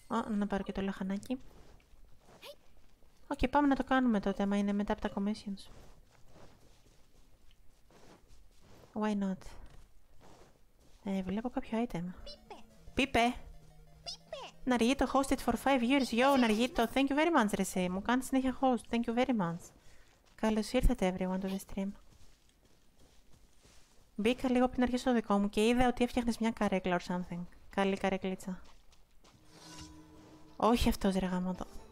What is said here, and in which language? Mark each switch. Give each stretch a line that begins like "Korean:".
Greek: Να πάρω και το λαχανάκι. Okay, πάμε να το κάνουμε τότε, άμα είναι μετά από τα commissions.
English: Why not?
Greek: Βλέπω κάποιο item. Πίπε!
English: Ναργίτο, hosted for 5 years. Yo, Ναργίτο, thank you very much, Ρεσί.
Greek: Μου κάνεις συνέχεια host.
English: Thank you very much.
Greek: Καλώς ήρθατε,
English: everyone, to the stream.
Greek: Μπήκα λίγο πριν αρχίσω το δικό μου και είδα ότι έφτιαχνες μια καρέκλα
English: or something.
Greek: Καλή καρέκλίτσα. Όχι αυτός, ρε γαμώτο.